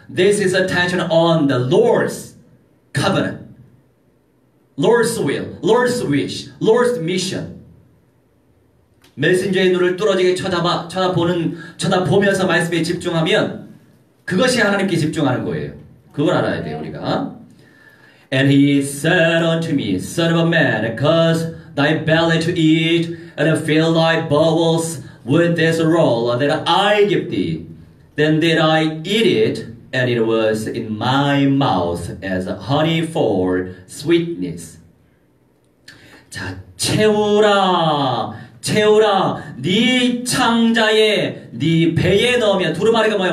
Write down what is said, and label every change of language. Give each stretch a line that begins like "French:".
English: This is attention on the Lord's covenant. Lord's will, Lord's wish, Lord's mission.
Korean: 메신저의 눈을 뚫어지게 쳐다보면서 말씀에 집중하면 그것이 하나님께 집중하는 거예요. 그걸 알아야 돼요, 우리가.
English: And he said unto me, Son of a man, cause thy belly to eat, and fill thy bowels with this roll that I give thee. Then did I eat it, and it was in my mouth as honey for sweetness.
Korean: 자, 채우라, 채우라, 네 창자에, 네 배에 넣으면, 두루마리가 뭐야?